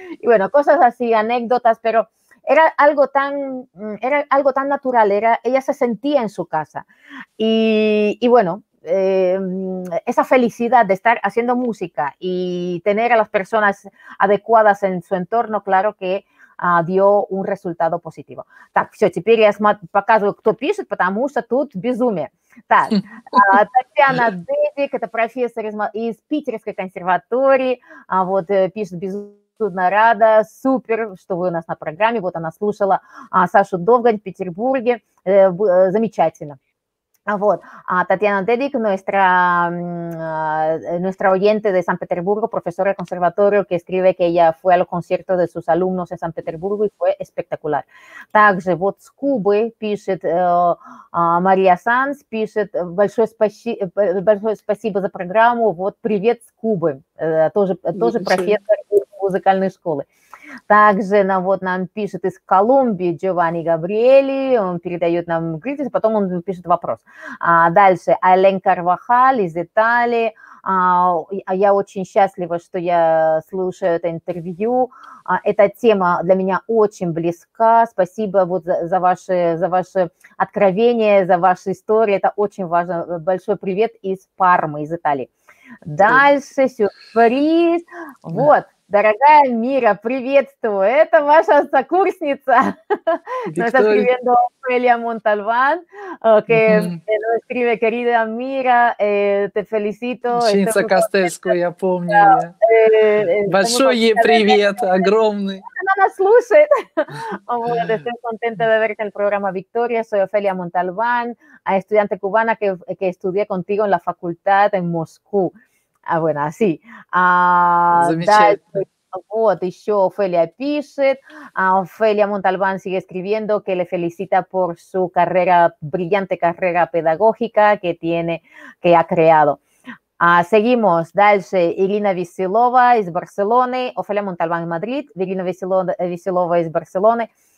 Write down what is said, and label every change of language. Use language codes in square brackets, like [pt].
[es] Y bueno, cosas así, anécdotas, pero era algo tan natural, ella se sentía en su casa. Y bueno, esa felicidad de estar haciendo música y tener a las personas adecuadas en su entorno, claro que dio un resultado positivo. [ru] Так, все, теперь я показываю, кто пишет, потому что тут безумие. Так, Татьяна Дедик, это профессор из Питерской консерватории, вот пишет безумно рада, супер, что вы у нас на программе, вот она слушала Сашу Довгань в Петербурге, замечательно. Вот. [es] Татьяна Дедик, nuestra oyente de San Petersburgo, profesora de conservatorio, que escribe que ella fue a los conciertos de sus alumnos en San Petersburgo y fue espectacular. [ru] Также вот с Кубы пишет Мария Санс, пишет большое спасибо за программу, вот привет с Кубы, тоже профессор музыкальной школы. Также нам пишет из Колумбии Джованни Габриэли, он передает нам гриф, потом он пишет вопрос. Дальше, Ален Карвахаль из Италии, я очень счастлива, что я слушаю это интервью, эта тема для меня очень близка, спасибо вот за ваши откровения, за ваши истории, это очень важно, большой привет из Пармы, из Италии. Дальше, сюрприз, вот. Дорогая Мира, приветствую. Это ваша сокурсница. [es] Nuestra querida Ofelia Montalbán, que nos escribe, querida Mira, te felicito. [ru] Ученица Костельского, я помню. Большой ей привет, огромный. Она нас слушает. [es] Estoy contenta de verte en el programa, Victoria. Soy Ofelia Montalbán, estudiante cubana que estudié contigo en la facultad en Moscú. Bueno, así. [ru] Замечательно. Вот еще Офелия пишет, [es] Офелия Монтальбан sigue escribiendo, que le felicita por su carrera, brillante carrera pedagógica que tiene, que ha creado. Seguimos, [ru] дальше, Ирина Веселова из Барселоны, Офелия Монтальбан из Мадрид, Ирина Веселова из Барселоны.